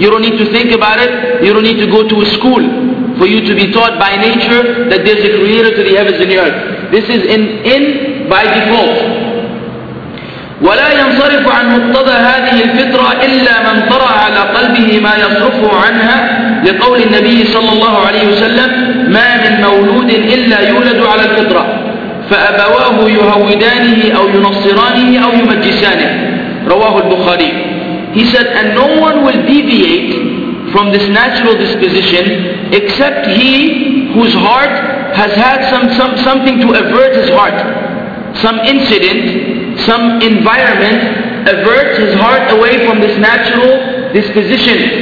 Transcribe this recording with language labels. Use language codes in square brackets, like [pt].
[en] You don't need to think about it, you don't need to go to a school for you to be taught by nature that there's a Creator to the heavens and the earth. This is in by default. [ar] ولا ينصرف عن مقتضى هذه الفطرة إلا من طرى على قلبه ما يصرفه عنها لقول النبي صلى الله عليه وسلم ما من مولود إلا يولد على الفطرة فأبواه يهودانه أو ينصرانه أو يمجسانه رواه البخاري. [en] He said, and no one will deviate from this natural disposition except he whose heart has had something to avert his heart, some incident, some environment averts his heart away from this natural disposition.